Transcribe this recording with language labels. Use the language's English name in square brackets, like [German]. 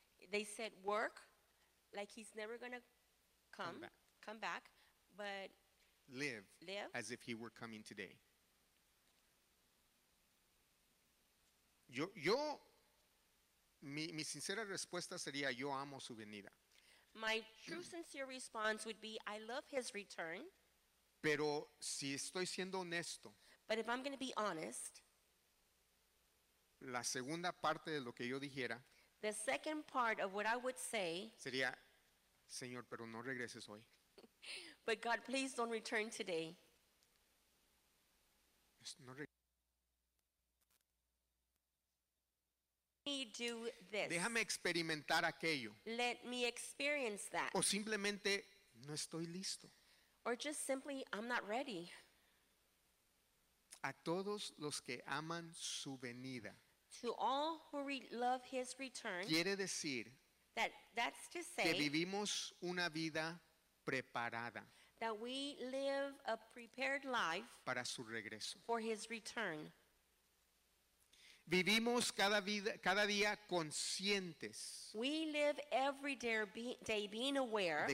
[English] They said work like he's never going to come back, but live as if he were coming today. [Spanish] Mi sincera respuesta sería, yo amo su venida. [English] My true sincere response would be, I love his return. [Spanish] Pero si estoy siendo honesto, [English] but if I'm going to be honest, [Spanish] la segunda parte de lo que yo dijera, [English] the second part of what I would say, [Spanish] sería, Señor, pero no regreses hoy. [English] But God, please don't return today. [Spanish] No regreses. [English] Do this. [Spanish] Déjame experimentar aquello. [English] Let me experience that. [Spanish] O simplemente no estoy listo. [English] Or just simply I'm not ready. [Spanish] A todos los que aman su venida. [English] To all who love his return. [Spanish] Quiere decir [English] that's to say [Spanish] que vivimos una vida preparada. [English] That we live a prepared life [Spanish] para su regreso. [English] For his return. [Spanish] Vivimos cada día conscientes. [English] We live every day being aware